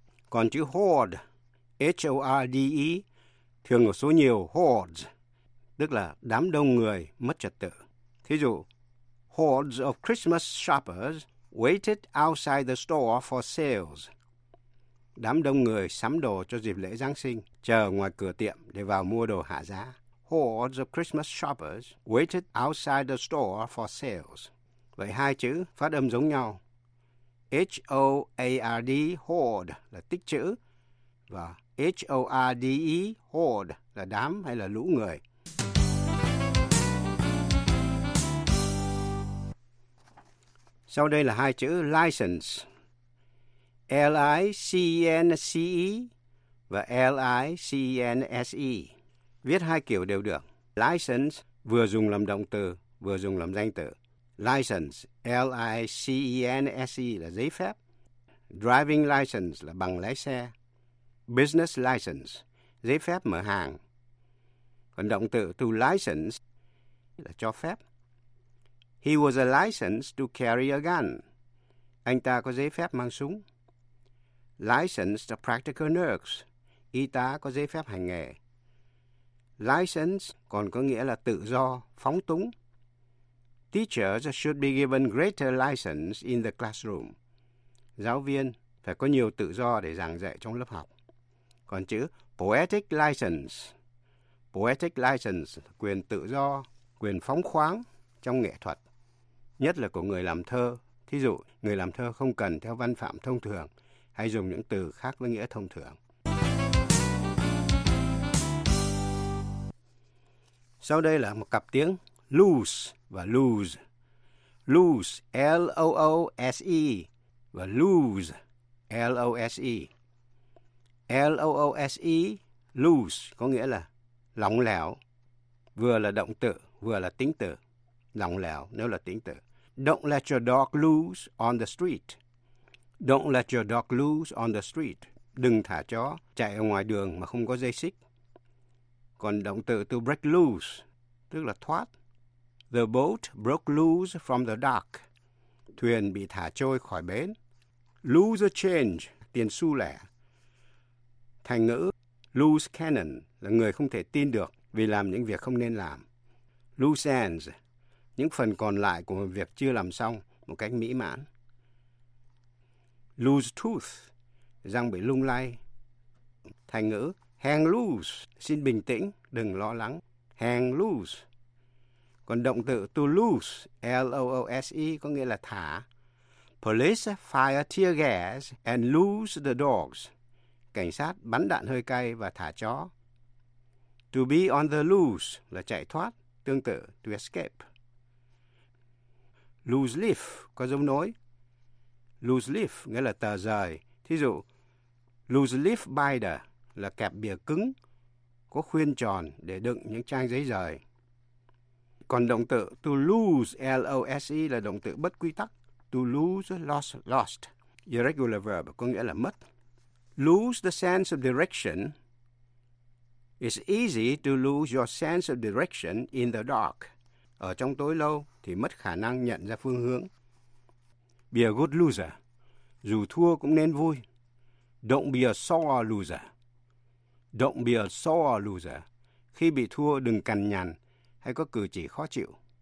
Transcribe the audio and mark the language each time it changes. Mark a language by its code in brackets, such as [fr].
[vi] Còn chữ hoard, H-O-R-D-E, thường ở số nhiều hordes, tức là đám đông người mất trật tự. [en] Thí dụ, hordes of Christmas shoppers waited outside the store for sales. [vi] Đám đông người sắm đồ cho dịp lễ Giáng sinh, chờ ngoài cửa tiệm để vào mua đồ hạ giá. [en] Hordes of Christmas shoppers waited outside the store for sales. [vi] Vậy hai chữ phát âm giống nhau. H-O-A-R-D, hoard, là tích trữ. Và H-O-R-D-E, hoard, là đám hay là lũ người. Sau đây là hai chữ license. L-I-C-E-N-S-E và L-I-C-E-N-S-E. Viết hai kiểu đều được. License vừa dùng làm động từ, vừa dùng làm danh từ. License, L-I-C-E-N-S-E là giấy phép. Driving license là bằng lái xe. Business license, giấy phép mở hàng. Còn động từ to license là cho phép. [en] He was a license to carry a gun. [vi] Anh ta có giấy phép mang súng. License to practical nurse, y tá có giấy phép hành nghề. License còn có nghĩa là tự do, phóng túng. [en] Teachers should be given greater license in the classroom. [vi] Giáo viên phải có nhiều tự do để giảng dạy trong lớp học. Còn chữ poetic license. Poetic license, quyền tự do, quyền phóng khoáng trong nghệ thuật. Nhất là của người làm thơ. Thí dụ, người làm thơ không cần theo văn phạm thông thường hay dùng những từ khác với nghĩa thông thường. Sau đây là một cặp tiếng loose và lose. Loose, L-O-O-S-E, và lose, L-O-S-E. L-O-O-S-E, loose, có nghĩa là lỏng lẻo, vừa là động từ, vừa là tính từ. Lỏng lẻo, nếu là tính từ. [en] Don't let your dog loose on the street. Don't let your dog loose on the street. [vi] Đừng thả chó chạy ở ngoài đường mà không có dây xích. Còn động từ to break loose, tức là thoát. [en] The boat broke loose from the dock. [vi] Thuyền bị thả trôi khỏi bến. Lose a change, tiền xu lẻ. Thành ngữ loose cannon là người không thể tin được vì làm những việc không nên làm. Loose ends, những phần còn lại của một việc chưa làm xong một cách mỹ mãn. Lose tooth, răng bị lung lay. Thành ngữ Hang loose, xin bình tĩnh, đừng lo lắng. Hang loose. Còn động từ to loose, L-O-O-S-E, có nghĩa là thả. [en] Police fire tear gas and loose the dogs. [vi] Cảnh sát bắn đạn hơi cay và thả chó. To be on the loose là chạy thoát, tương tự to escape. Loose leaf có giống nối. Loose leaf nghĩa là tờ rời. Thí dụ, loose leaf binder là kẹp bìa cứng, có khuyên tròn để đựng những trang giấy rời. Còn động từ to lose, L-O-S-E, là động từ bất quy tắc. [en] To lose, lost, lost. Irregular verb có nghĩa là mất. Lose the sense of direction. It's easy to lose your sense of direction in the dark. [vi] Ở trong tối lâu thì mất khả năng nhận ra phương hướng. [en] Be a good loser. [vi] Dù thua cũng nên vui. [en] Don't be a sore loser. Don't be a sore loser. [vi] Khi bị thua đừng cằn nhằn hay có cử chỉ khó chịu.